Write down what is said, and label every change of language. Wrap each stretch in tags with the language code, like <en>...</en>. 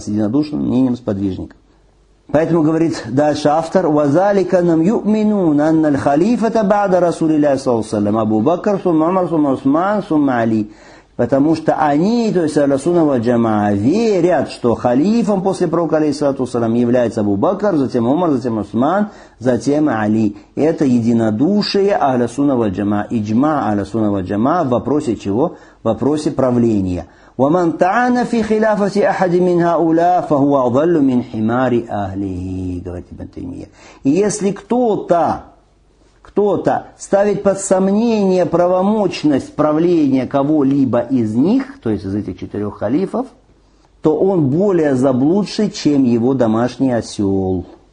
<ru>С единодушным мнением сподвижников. Поэтому говорит дальше автор,</ru> <ar>وَذَلِكَ نَمْ يُؤْمِنُونَ أَنَّ الْخَلِيفَةَ بَعْدَ رَسُولِ اللَّهِ صَلَّى اللَّهُ عَلَيْهِ وَسَلَّمَ أَبُو بَكَرْ ثُمَّ عُمَرْ ثُمَّ عُثْمَانَ ثُمَّ عَلِيَ</ar> <ru>Потому что они, то есть Ахлиссунна вальджамаа, верят, что халифом после пророка, алейхиссалату вассалям, является Абу Бакр, затем Умар, затем Усман, затем Али. Это единодушие Ахлиссунна вальджамаа, иджма Ахлиссунна вальджамаа в вопросе чего? В вопросе правления.</ru> <ar>وَمَنْ تَعَانَ فِي خِلَافَةِ أَحَدٍ مِنْ هَؤُلَا فَهُوَ أَضَلُّ مِنْ حِمَارِ أَهْلِهِ</ar> <ru>Говорит Ибн Таймия. И если кто-то ставит под сомнение правомочность правления кого-либо из них, то есть из этих четырех халифов, то он более заблудший, чем его домашний осел.</ru>